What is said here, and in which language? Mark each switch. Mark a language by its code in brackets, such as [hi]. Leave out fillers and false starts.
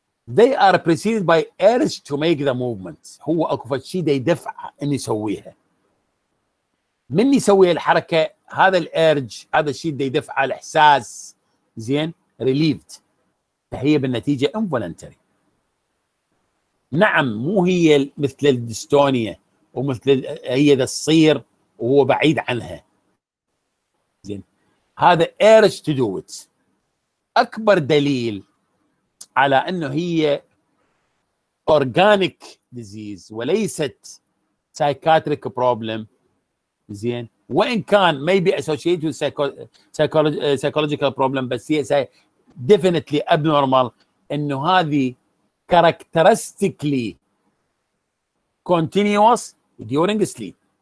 [en] They are preceded by urge to make the movement. [ar] هو اكو شيء يدفع ان يسويها. من يسوي الحركه هذا الارج هذا الشيء يدفع الاحساس زين ريليفد. فهي بالنتيجه انفولنتري. نعم مو هي مثل الدستونية ومثل هي ذا الصير وهو بعيد عنها. زين هذا [en] urge to do it. [ar] أكبر دليل على أنه هي organic disease وليست psychiatric problem. زين وإن كان [en] maybe associated with psychological problem [ar] بس هي [en] definitely abnormal [ar] أنه هذه [en] characteristically continuous during sleep.